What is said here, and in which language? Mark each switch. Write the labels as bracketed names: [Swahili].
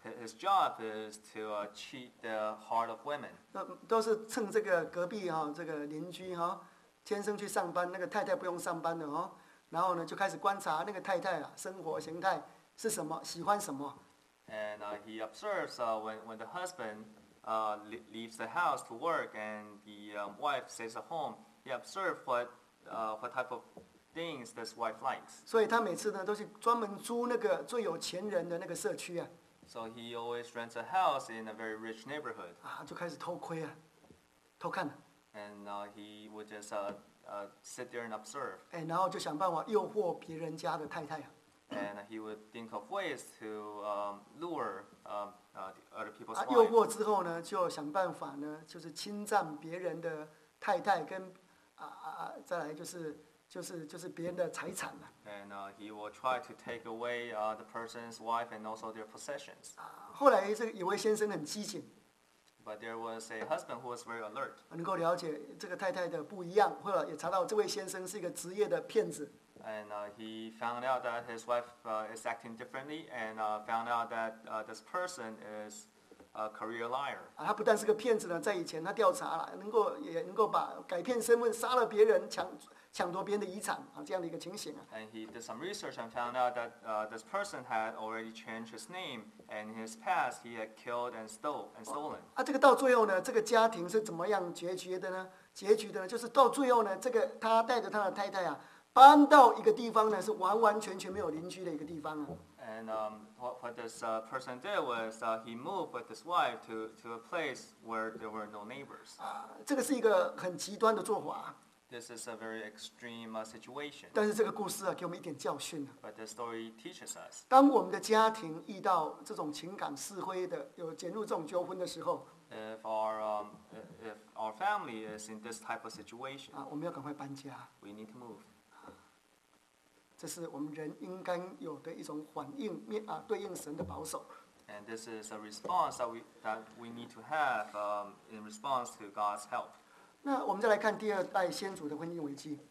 [English] His job is to cheat the heart of women. [Chinese] 都是趁这个隔壁哈、哦，这个邻居哈、哦，先生去上班，那个太太不用上班的哦。然后呢，就开始观察那个太太啊，生活形态是什么，喜欢什么。 [English] And he observes when the husband leaves the house to work and the wife stays at home. He observes what type of things this wife likes. [Chinese] 所以他每次呢都是专门租那个最有钱人的那个社区啊。 [English] So he always rents a house in a very rich neighborhood. [Chinese] 就开始偷窥啊，偷看。 [English] And he would just sit there and observe. [Chinese] 然后就想办法诱惑别人家的太太啊。 [English] And he would think of ways to lure other people's [Chinese] wives. 诱惑之后呢，就想办法呢，就是侵占别人的太太跟再来就是别人的财产了。 [English] And he will try to take away the person's wife and also their possessions. [Chinese] 后来这有位先生很机警。 [English] But there was a husband who was very alert. [Chinese] 能够了解这个太太的不一样，或者也查到这位先生是一个职业的骗子。 [English] And he found out that his wife is acting differently, and found out that this person is a career liar. [Chinese] 他不但是个骗子呢，在以前他调查了，能够把改骗身份杀了别人，抢夺别人的遗产啊，这样的一个情形啊。 [English] And he did some research and found out that this person had already changed his name, and in his past he had killed and stolen. [Chinese] 这个到最后呢，这个家庭是怎么样结局的呢？结局的呢，就是到最后呢，这个他带着他的太太啊。搬到一个地方呢，是完完全全没有邻居的一个地方啊。 [English] And what this person did was he moved with his wife to a place where there were no neighbors. [Chinese] 这个是一个很极端的做法。 [English] This is a very extreme situation. [Chinese] 但是这个故事啊，给我们一点教训啊。 [English] But the story teaches us. [Chinese] 当我们的家庭遇到这种情感是非的，有卷入这种纠纷的时候 [English] ，If our family is in this type of situation, [Chinese] 我们要赶快搬家。 [English] We need to move. [Chinese] 这是我们人应该有的一种反应，对应神的保守。 [English] And this is a response that we need to have in response to God's help. [Chinese] 那我们再来看第二代先祖的婚姻危机。